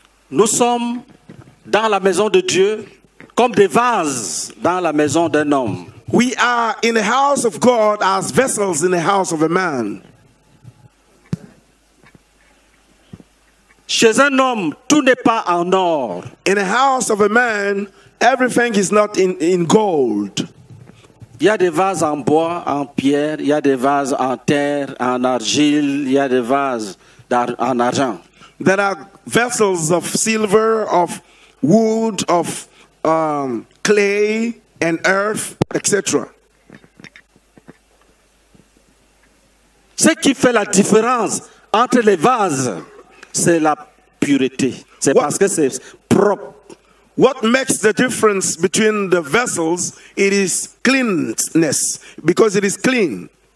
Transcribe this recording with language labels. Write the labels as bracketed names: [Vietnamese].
[French] Nous sommes dans la maison de Dieu comme des vases dans la maison d'un homme. [English] We are in the house of God as vessels in the house of a man. [French] Chez un homme, tout n'est pas en or. [English] In the house of a man, everything is not in gold. [French] Il y a des vases en bois, en pierre, il y a des vases en terre, en argile, il y a des vases en argent. [English] There are vessels of silver, of wood, of clay and earth, etc. [French] Ce qui fait la différence entre les vases, c'est la pureté. C'est [English] what, [French] parce que c'est propre. [English] What makes the difference between the vessels, it is cleanness, because it is clean.